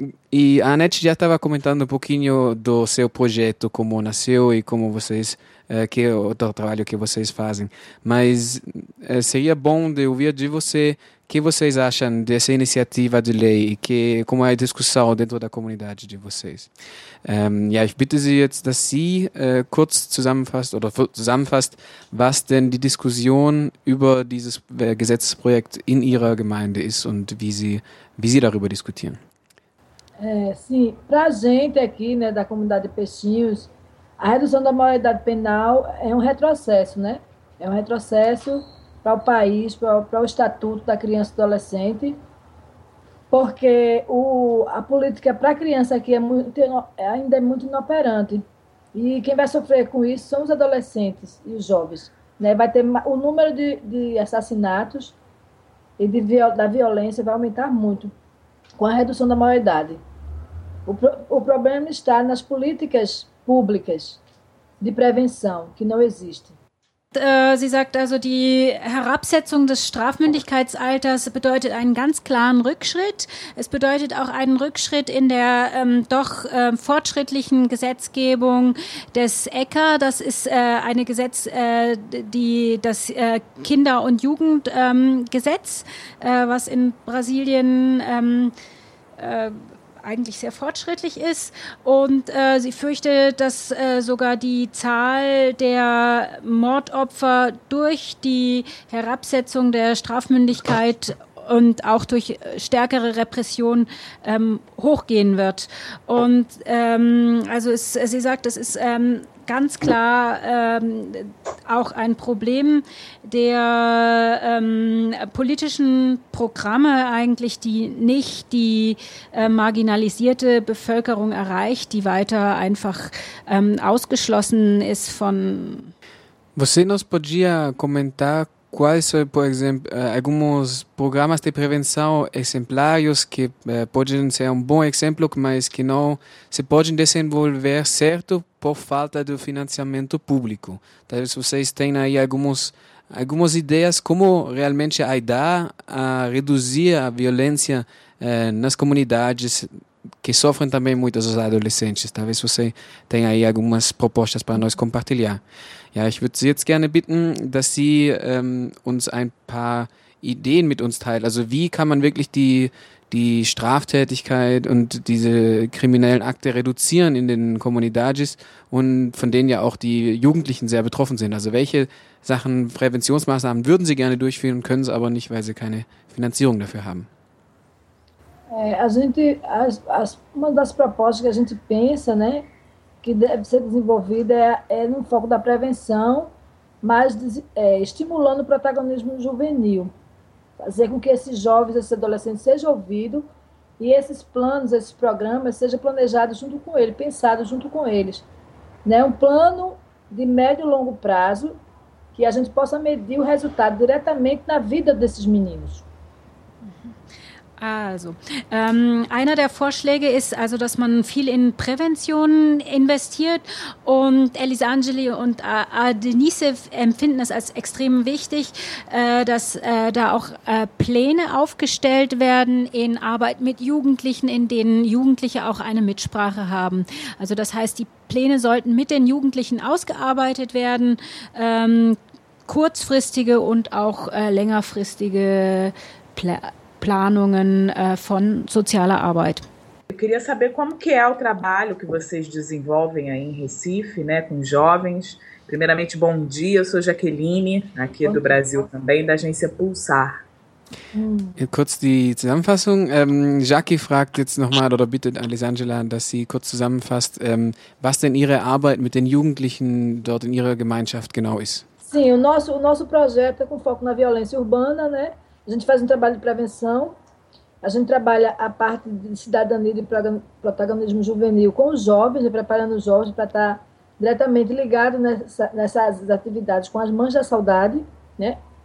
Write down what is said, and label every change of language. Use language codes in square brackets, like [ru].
[pt] E a Anete já estava comentando um pouquinho do seu projeto, como nasceu e como vocês, que é o trabalho que vocês fazem. Mas seria bom de ouvir de você o que vocês acham dessa iniciativa de lei e que como é a discussão dentro da comunidade de vocês. [de] Ja, ich bitte Sie jetzt, dass Sie kurz zusammenfasst oder zusammenfasst, was denn die Diskussion über dieses Gesetzesprojekt in Ihrer Gemeinde ist und wie Sie darüber diskutieren. [pt] Sim, para a gente aqui, né, da comunidade Peixinhos, a redução da maioridade penal é um retrocesso, né? É um retrocesso para o país, para o Estatuto da Criança e do Adolescente, porque a política para a criança aqui ainda é muito inoperante. E quem vai sofrer com isso são os adolescentes e os jovens, né? Vai ter o número de assassinatos e da violência vai aumentar muito com a redução da maioridade. O problema está nas políticas públicas de prevenção, que não existem. [de] Sie sagt also, die Herabsetzung des Strafmündigkeitsalters bedeutet einen ganz klaren Rückschritt. Es bedeutet auch einen Rückschritt in der fortschrittlichen Gesetzgebung des ECCA. Das ist eine Gesetz, das Kinder- und Jugendgesetz, was in Brasilien eigentlich sehr fortschrittlich ist. Und sie fürchtet, dass sogar die Zahl der Mordopfer durch die Herabsetzung der Strafmündigkeit und auch durch stärkere Repression hochgehen wird. Und also es, sie sagt, das ist ganz klar auch ein Problem der politischen Programme eigentlich, die nicht die marginalisierte Bevölkerung erreicht, die weiter einfach ausgeschlossen ist von... [pt] Você nos podia comentar quais são, por exemplo, alguns programas de prevenção exemplares que podem ser um bom exemplo, mas que não se podem desenvolver certo por falta do financiamento público. Talvez vocês tenham aí algumas ideias como realmente ajudar a reduzir a violência nas comunidades que sofrem também muitos os adolescentes. Talvez você tenha aí algumas propostas para nós compartilhar. [de] Ja, ich würde Sie jetzt gerne bitten, dass Sie uns ein paar Ideen mit uns teilen. Also wie kann man wirklich die Straftätigkeit und diese kriminellen Akte reduzieren in den Comunidades und von denen ja auch die Jugendlichen sehr betroffen sind. Also welche Sachen, Präventionsmaßnahmen würden Sie gerne durchführen, können Sie aber nicht, weil Sie keine Finanzierung dafür haben? [pt] Uma das propostas que a gente pensa, né, que deve ser desenvolvida é no foco da prevenção, mas estimulando o protagonismo juvenil. Fazer com que esses jovens, esses adolescentes sejam ouvidos e esses planos, esses programas sejam planejados junto com eles, pensados junto com eles. Né? Um plano de médio e longo prazo que a gente possa medir o resultado diretamente na vida desses meninos. [de] Also, einer der Vorschläge ist also, dass man viel in Prävention investiert und Elisangeli und Denise empfinden es als extrem wichtig, dass da auch Pläne aufgestellt werden in Arbeit mit Jugendlichen, in denen Jugendliche auch eine Mitsprache haben. Also das heißt, die Pläne sollten mit den Jugendlichen ausgearbeitet werden, kurzfristige und auch längerfristige Planungen von sozialer Arbeit. [pt] Eu queria saber como que é o trabalho que vocês desenvolvem aí em Recife, né, com jovens. Primeiramente, bom dia, eu sou Jaqueline, aqui bom do dia. Brasil também, da agência Pulsar. [de] Kurz die Zusammenfassung. Jackie fragt jetzt nochmal oder bittet Alessandra, dass sie kurz zusammenfasst, was denn ihre Arbeit mit den Jugendlichen dort in ihrer Gemeinschaft genau ist. [pt] Sim, o nosso projeto é com foco na violência urbana, né? A gente faz um trabalho de prevenção, a gente trabalha a parte de cidadania e protagonismo juvenil com os jovens, né, preparando os jovens para estar diretamente ligado nessas atividades com as mães da saudade. Né?